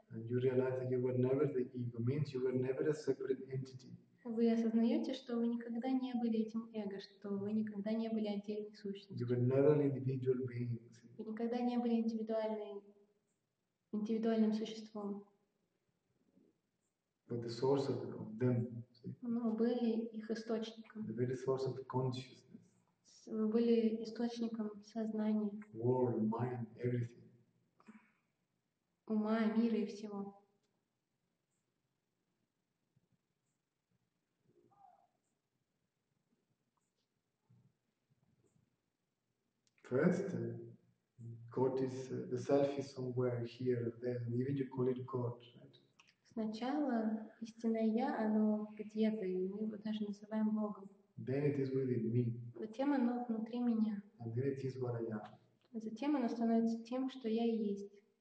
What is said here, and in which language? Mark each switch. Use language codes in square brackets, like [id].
[en] And you realize that you were never the ego, means you were never a separate entity. [ru] Вы осознаете, что вы никогда не были этим эго, что вы никогда не были отдельной сущностью. [en] You were never an individual being. [ru] Вы никогда не были индивидуальным существом. [en] But the source of them. [ru] Ну, были их источником. [en] They were the source of consciousness. [ru] Были источником сознания. [en] World, mind, everything. [ru] Ума, мира и всего. [en] First, God is the self is somewhere here, there. Even you call it God, right? [ru] Сначала истинное я, оно где-то, и мы его даже называем Богом. [en] Then it is within me. [ru] Затем оно внутри меня. [en] And then it is what I am. [ru] Затем оно становится тем, что я и есть.